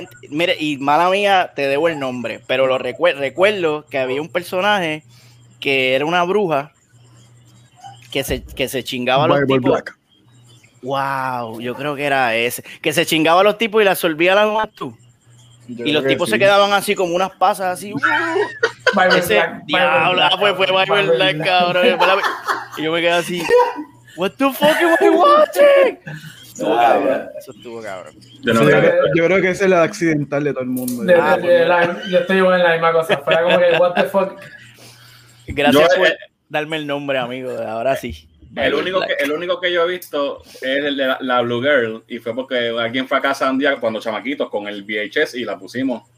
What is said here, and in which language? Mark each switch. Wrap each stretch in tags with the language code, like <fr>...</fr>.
<es>Mira, y mala mía, te debo el nombre, pero lo recuerdo que había un personaje que era una bruja que se chingaba a los tipos.</es> <en>Black.</en> <es>Wow, yo creo que era ese. Que se chingaba a los tipos y la absorbía la mamá tú. Yo y los tipos que sí. Se quedaban así como unas pasas así. Ese diablo, fue Bible Black, cabrón. Y yo me quedé así.</es> <en>What the fuck am I watching?</en> <es>Eso estuvo cabrón. Yo creo que esa es la accidental de todo el mundo. Yo estoy en la misma cosa. Fue como que,</es> <en>what the fuck.</en> <es>Gracias por darme el nombre, amigo. Ahora sí. El único que yo he visto es el de la Blue Girl, y fue porque alguien fue a casa un día cuando chamaquitos con el VHS y la pusimos.</es>